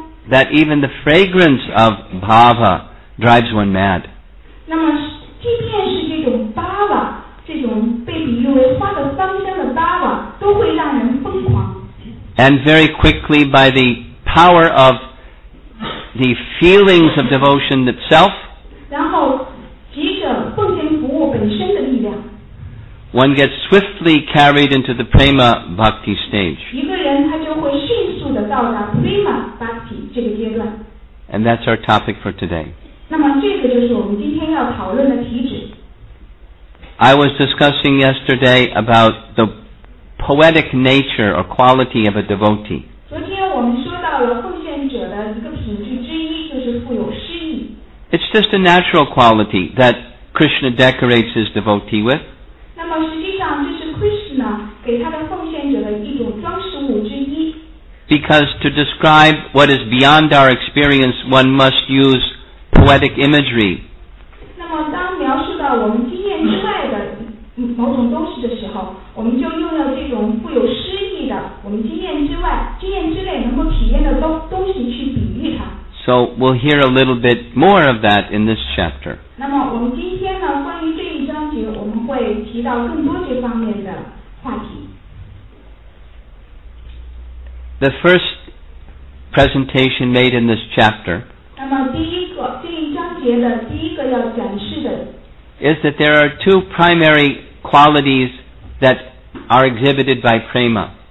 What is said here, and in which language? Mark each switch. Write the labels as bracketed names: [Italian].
[English] That even the fragrance of bhava drives one mad. [Chinese] 那么即便是这种 bhava， 这种被比喻为花的芳香的 bhava， 都会让人疯狂。 [English] And very quickly, by the power of the feelings of devotion itself, [Chinese] 然后急着奉献服务本身的力量， [English] one gets swiftly carried into the prema bhakti stage. [Chinese] 一个人他就会迅速地到达 prema bhakti 这个阶段。 [English] And that's our topic for today. [Chinese] 那么这个就是我们今天要讨论的题旨。 [English] I was discussing yesterday about the poetic nature or quality of a devotee. [Chinese] 昨天我们说到了奉献者的一个品质， [English] It's just a natural quality that Krishna decorates his devotee with. [Chinese] 那么实际上这是 Krishna 给他的奉献者的一种装饰物之一。 [English] Because to describe what is beyond our experience, one must use poetic imagery. [Chinese] 那么当描述到我们经验之外的某种东西的时候，我们就用了这种富有诗意的，我们经验之内能够体验的东西去比喻它。 [English] So we'll hear a little bit more of that in this chapter. [Chinese] 那么我们今天呢，关于这一章节，我们会提到更多这方面的话题。 [English] The first presentation made in this chapter. [Chinese] 那么第一个这一章节的第一个要展示的 [English] is that there are two primary qualities that are exhibited by prema.